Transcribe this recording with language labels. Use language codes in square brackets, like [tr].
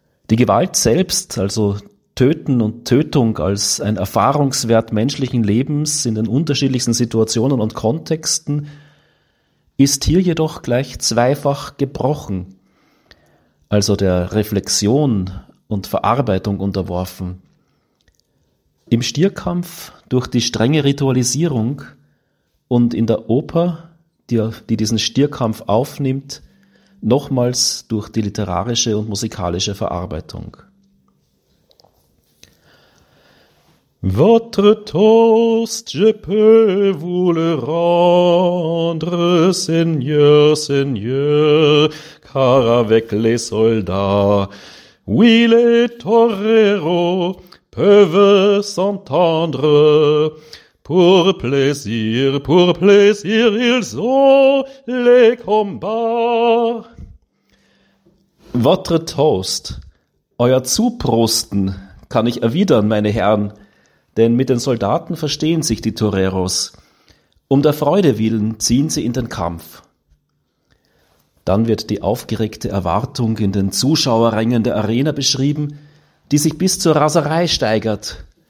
[de] Die Gewalt selbst, also Töten und Tötung als ein Erfahrungswert menschlichen Lebens in den unterschiedlichsten Situationen und Kontexten, ist hier jedoch gleich zweifach gebrochen, also der Reflexion und Verarbeitung unterworfen. Im Stierkampf durch die strenge Ritualisierung und in der Oper, die diesen Stierkampf aufnimmt, nochmals durch die literarische und musikalische Verarbeitung. [fr] Votre toast, je peux vous le rendre, Seigneur, Seigneur, car avec les soldats, oui, les toreros peuvent s'entendre. Pour plaisir, ils ont les combats. Votre toast, [de] euer Zuprosten, kann ich erwidern, meine Herren, denn mit den Soldaten verstehen sich die Toreros. Um der Freude willen ziehen sie in den Kampf. Dann wird die aufgeregte Erwartung in den Zuschauerrängen der Arena beschrieben, die sich bis zur Raserei steigert.